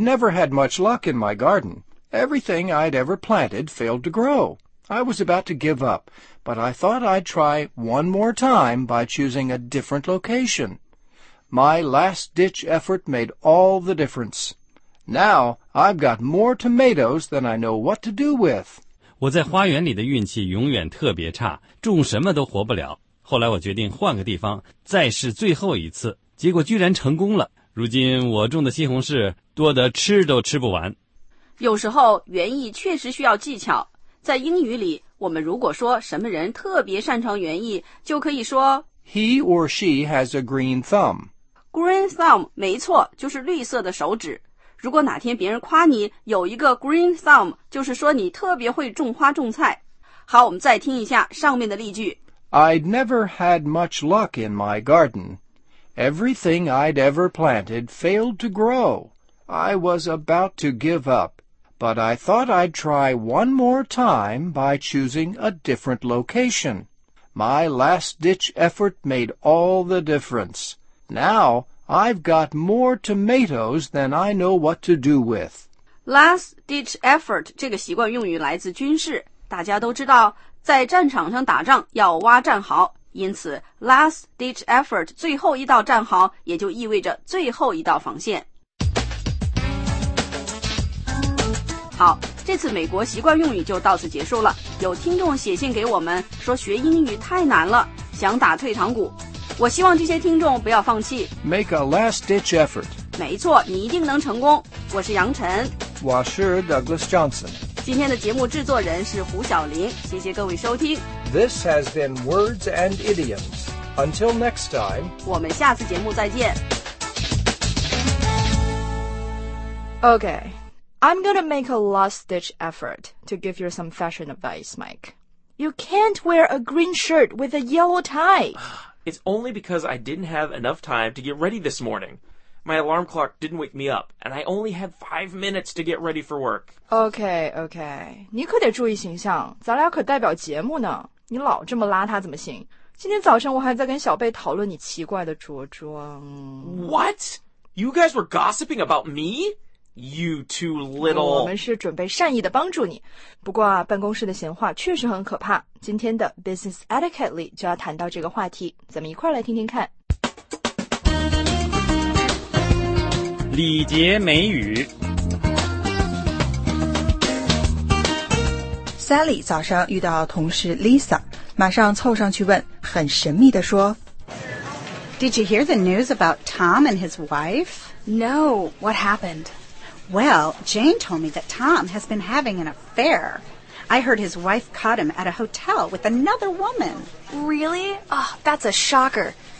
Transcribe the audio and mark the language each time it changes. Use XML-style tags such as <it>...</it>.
<en>never had much luck in my garden. Everything I'd ever planted failed to grow. I was about to give up, but I thought I'd try one more time by choosing a different location. My last-ditch effort made all the difference. Now I've got more tomatoes than I know what to do with.</en> <zh>我在花园里的运气永远特别差，种什么都活不了。后来我决定换个地方，再试最后一次，结果居然成功了。如今我种的西红柿多得吃都吃不完。有时候园艺确实需要技巧。在英语里，我们如果说什么人特别擅长园艺，就可以说</zh> <en>He or she has a green thumb. Green thumb,</en> <zh>没错，就是绿色的手指。如果哪天别人夸你有一个</zh> <en>green thumb,</en> <zh>就是说你特别会种花种菜。好，我们再听一下上面的例句。</zh> <en>I'd never had much luck in my garden. Everything I'd ever planted failed to grow. I was about to give up, but I thought I'd try one more time by choosing a different location. My last-ditch effort made all the difference. Now, I've got more tomatoes than I know what to do with. Last-ditch effort</en> <zh>这个习惯用语来自军事。大家都知道，在战场上打仗要挖战壕，因此</zh> <en>last-ditch effort</en> <zh>最后一道战壕也就意味着最后一道防线。好，这次美国习惯用语就到此结束了。有听众写信给我们说学英语太难了，想打退堂鼓。我希望这些听众不要放弃。</zh> <en>Make a last ditch effort.</en> <zh>没错，你一定能成功。我是杨晨。我是 Douglas Johnson. 今天的节目制作人是胡晓玲。谢谢各位收听。</zh> <en>This has been Words and Idioms. Until next time.</en> <zh>我们下次节目再见。</zh> <en>Okay. I'm gonna make a last-ditch effort to give you some fashion advice, Mike. You can't wear a green shirt with a yellow tie. It's only because I didn't have enough time to get ready this morning. My alarm clock didn't wake me up, and I only had 5 minutes to get ready for work. Okay, okay.</en> <zh>你可得注意形象，咱俩可代表节目呢。你老这么邋遢怎么行？今天早上我还在跟小贝讨论你奇怪的着装。</zh> <en>What? You guys were gossiping about me? You too little.</en> <zh>我们是准备善意的帮助你。不过啊，办公室的闲话确实很可怕。今天的 Business Etiquette 里就要谈到这个话题，咱们一块来听听看。礼节美语。 Sally 早上遇到同事 Lisa， 马上凑上去问，很神秘地说</zh> <en>：“Did you hear the news about Tom and his wife? No, what happened?” Well, Jane told me that Tom has been having an affair. I heard his wife caught him at a hotel with another woman. Really? Oh, that's a shocker.</en>